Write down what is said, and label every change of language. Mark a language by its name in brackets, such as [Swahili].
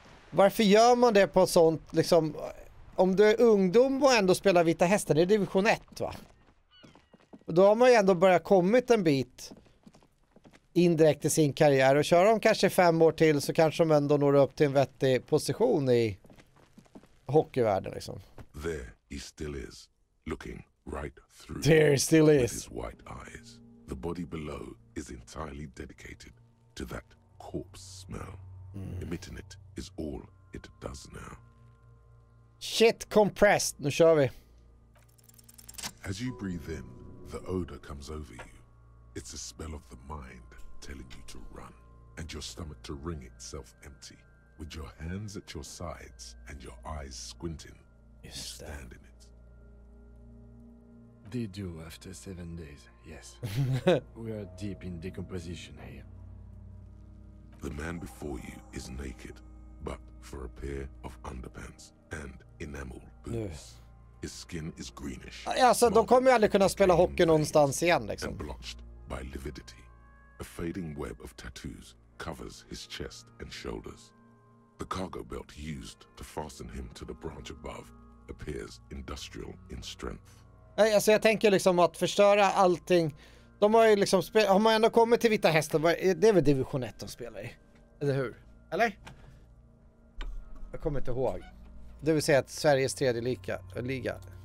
[Swedish] Varför gör man det på sånt liksom? Om du är ungdom och ändå spelar vita hästen. Det är division 1 va? Då har man ju ändå börjat kommit en bit indirekt i sin karriär. Och kör de kanske 5 år till så kanske de ändå når upp till en vettig position i hockeyvärlden liksom. [English] There he still is, looking right through. There still is. With his white eyes, the body below is entirely dedicated to that corpse smell. Mm. Emitting it is all it does now. Shit compressed, [Swedish] nu kör vi. [English] As you breathe in, the odor comes over you. It's a spell of the mind telling you to run, and your stomach to ring itself empty. With your hands at your sides and your eyes squinting, you stand in it. Did you after 7 days? Yes. We are deep in decomposition here. The man before you is naked, but for a pair of underpants and enamel boots. Yes. His skin is greenish. [Swedish] Alltså, de kommer ju aldrig kunna spela hockey någonstans igen liksom. [English] Blotched by lividity. A fading web of tattoos covers his chest and shoulders. The cargo belt used to fasten him to the branch above appears industrial in strength. [Swedish] Alltså, jag tänker liksom att förstöra allting. De har ju liksom har man ändå kommit till vita hästen, det är väl division 1 de spelar i. Eller hur? Eller? Jag kommer inte ihåg. Det vill säga att Sveriges tredje liga.